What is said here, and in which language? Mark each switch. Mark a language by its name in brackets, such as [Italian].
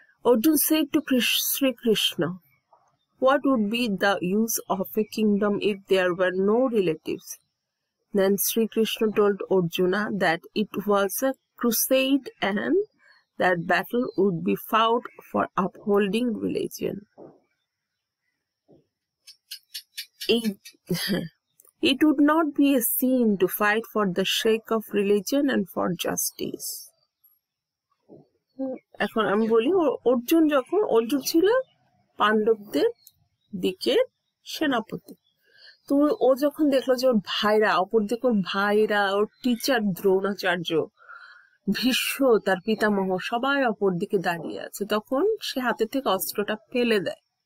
[English] Arjun said to Srikrishna, what would be the use of a kingdom if there were no relatives? Then Srikrishna told Arjuna that it was a crusade and that battle would be fought for upholding religion. It would not be a sin to fight for the sake of religion and for justice. [Bangla] এখন আমি বলি, অর্জুন যখন, অর্জুন ছিল পাণ্ডবদের দিকের সেনাপতি, তো ও যখন দেখলো যে ওর ভাইরা, অপর দিকে ওর ভাইরা, ওর টিচার দ্রোণাচার্য, ভীষ্ম, তার পিতামহ সবাই অপর দিকে দাঁড়িয়ে আছে, তখন সে হাতে থেকে অস্ত্রটা ফেলে দেয়।